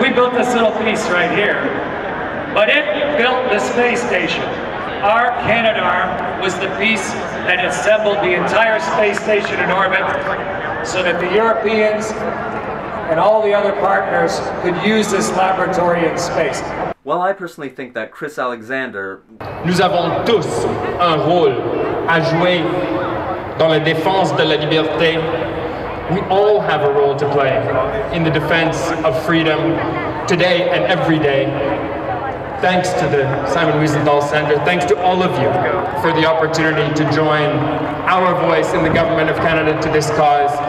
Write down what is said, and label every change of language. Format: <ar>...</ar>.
<en>We built this little piece right here, but it built the space station. Our Canadarm was the piece that assembled the entire space station in orbit so that the Europeans and all the other partners could use this laboratory in space. Well, I personally think that Chris Alexander...</en> <fr>Nous avons tous un rôle à jouer dans la défense de la liberté.</fr> <en>We all have a role to play in the defense of freedom today and every day. Thanks to the Simon Wiesenthal Center. Thanks to all of you for the opportunity to join our voice in the Government of Canada to this cause.</en>